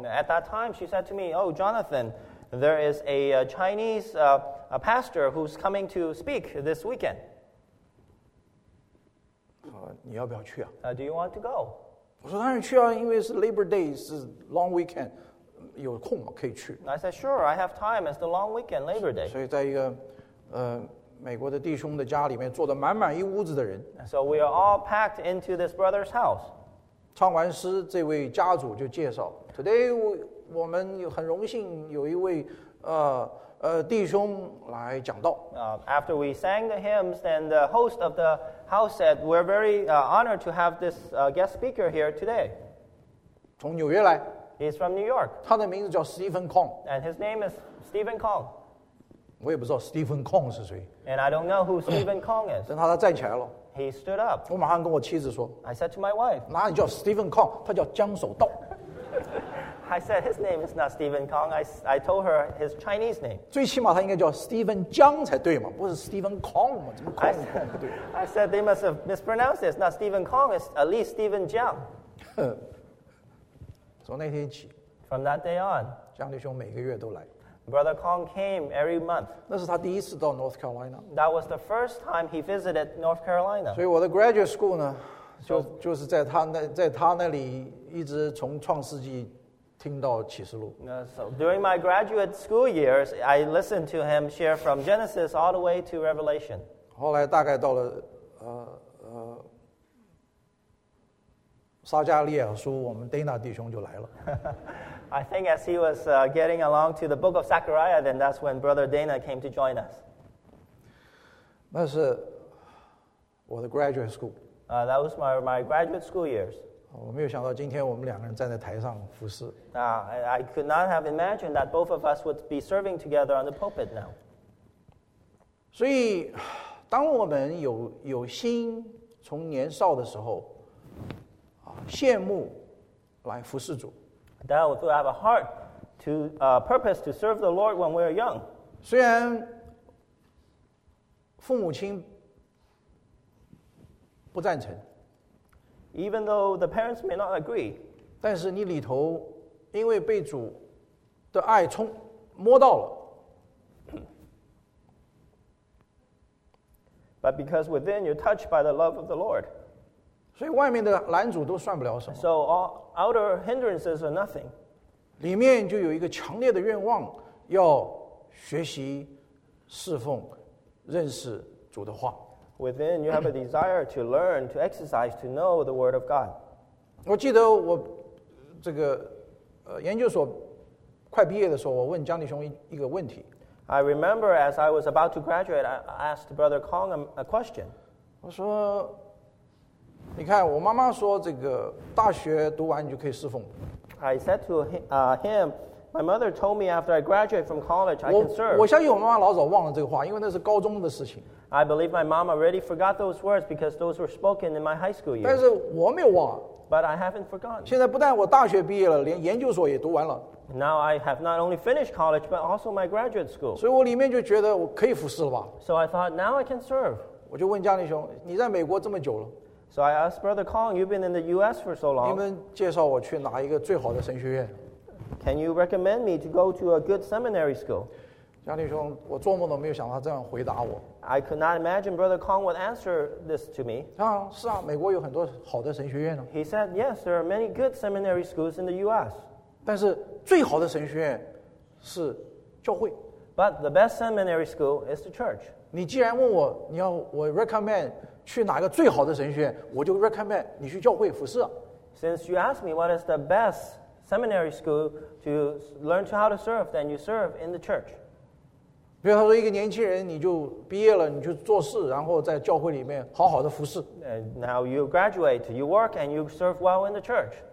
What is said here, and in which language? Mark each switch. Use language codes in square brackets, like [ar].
[en] At that time, she said to me, "Oh, Jonathan, there is a Chinese a pastor who's coming to speak this weekend." [zh] 你要不要去啊 [en] ？Do you want to go? [zh] 我说当然去啊，因为是 Labor Day， 是 [en] Long Weekend， [zh] 有空嘛可以去。 [en] I said sure, I have time. It's the Long Weekend, Labor Day. [zh] 所以在一个美国的弟兄的家里面坐的满满一屋子的人。 [en] So we are all packed into this brother's house. [zh] 唱完诗，这位家主就介绍 ，Today 我们很荣幸有一位弟兄来讲道。 [en] After we sang the hymns, then the host of the house said, "We're very honored to have this guest speaker here today." [zh] 从纽约来。 [en] He's from New York. [zh] 他的名字叫 Stephen Kong. [en] And his name is Stephen Kong. [zh] 我也不知道 Stephen Kong 是谁。 [en] And I don't know who Stephen Kong is. [zh] 等他站起来了。 [en] He stood up. [zh] 我马上跟我妻子说。 [en] I said to my wife. [zh] 哪里叫 Stephen Kong? 他叫江守道。 [en] I said his name is not Stephen Kong. I told her his Chinese name. [zh] 最起码他应该叫 Stephen Jiang 才对嘛，不是 Stephen Kong 嘛？怎么 Kong 不对 [en] ？I said they must have mispronounced this. Not Stephen Kong. It's at least Stephen Jiang. [zh] 从那天起 [en] ，From that day on， [zh] 江弟兄每个月都来。 [en] Brother Kong came every month. [zh] 那是他第一次到 North Carolina. [en] That was the first time he visited North Carolina. [zh] 所以我的 graduate school 呢，就是在他那里一直从创世纪。听到启示录。 [en] So during my graduate school years, I listened to him share from Genesis all the way to Revelation. [zh] 后来大概到了撒加利亚书，我们 Dana 弟兄就来了。 [en] I think as he was getting along to the book of Zechariah, then that's when Brother Dana came to join us. [zh] 那是我的 graduate school. [en] That was my graduate school years. [zh] 我没有想到今天我们两个人站在台上服侍。 [en] I could not have imagined that both of us would be serving together on the pulpit now. [zh] 所以，当我们有心从年少的时候，羡慕来服侍主。 [en] That we have a heart to purpose to serve the Lord when we are young. [zh] 虽然父母亲不赞成。 [en] Even though the parents may not agree, [zh] 但是你里头因为被主的爱冲摸到了 [en] ，But because within you're touched by the love of the Lord, [zh] 所以外面的拦阻都算不了什么。 [en] So all outer hindrances are nothing. [zh] 里面就有一个强烈的愿望，要学习侍奉、认识主的话。 [en] Within, you have a desire to learn, to exercise, to know the Word of God. [zh] 我记得我这个研究所快毕业的时候，我问江弟兄一个问题。 [en] I remember as I was about to graduate, I asked Brother Kong a question. [zh] 我说，你看，我妈妈说这个大学读完你就可以侍奉。 [en] I said to him, my mother told me after I graduate from college, I can serve. [zh] 我相信我妈妈老早忘了这个话，因为那是高中的事情。 [en] I believe my mom already forgot those words because those were spoken in my high school year. [zh] 但是我没有忘。 [en] But I haven't forgotten. [zh] 现在不但我大学毕业了，连研究所也读完了。 [en] Now I have not only finished college but also my graduate school. [zh] 所以我里面就觉得我可以服侍了吧。 [en] So I thought now I can serve. [zh] 我就问江弟兄，你在美国这么久了。 [en] So I asked Brother Kong, you've been in the U.S. for so long. [zh] 你们介绍我去哪一个最好的神学院？ [en] Can you recommend me to go to a good seminary school? [zh] 江弟兄, 我做梦都没有想到这样回答我。 [en] I could not imagine Brother Kong would answer this to me. [zh] 啊, 是啊, [en] he said, yes, there are many good seminary schools in the U.S. [zh] 但是最好的神学院是教会。 [en] But the best seminary school is the church. [zh] 你既然问我, 你要, 我 recommend 去哪个最好的神学院, 我就 recommend 你去教会服侍。 [en] Since you asked me what is the best seminary school to learn how to serve, then you serve in the church. [zh] 比如说一个年轻人你就毕业了你就做事然后在教会里面好好的服侍。 [en] Now you graduate, you work, and you serve well in the church.